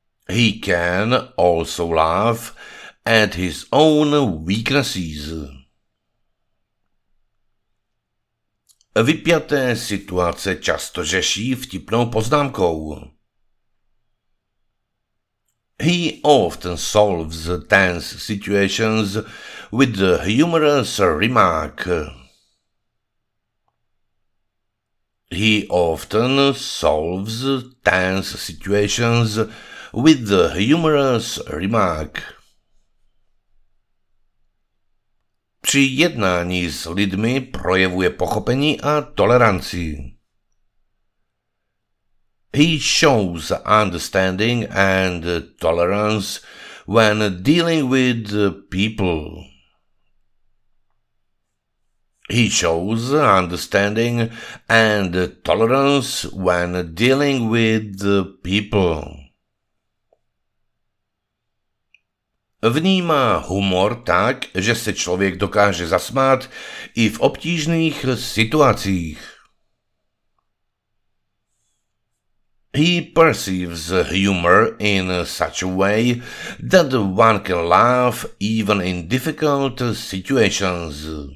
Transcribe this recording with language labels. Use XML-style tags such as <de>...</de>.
<en>He can also laugh at his own weaknesses.</en> <cs>Vypjaté situace často řeší vtipnou poznámkou.</cs> <en>He often solves tense situations with a humorous remark. He often solves tense situations with a humorous remark.</en> <cs>Při jednání s lidmi projevuje pochopení a toleranci.</cs> <en>He shows understanding and tolerance when dealing with people. He shows understanding and tolerance when dealing with people.</en> <cs>Vnímá humor tak, že se člověk dokáže zasmát i v obtížných situacích.</cs> <en>He perceives humor in such a way that one can laugh even in difficult situations.</en>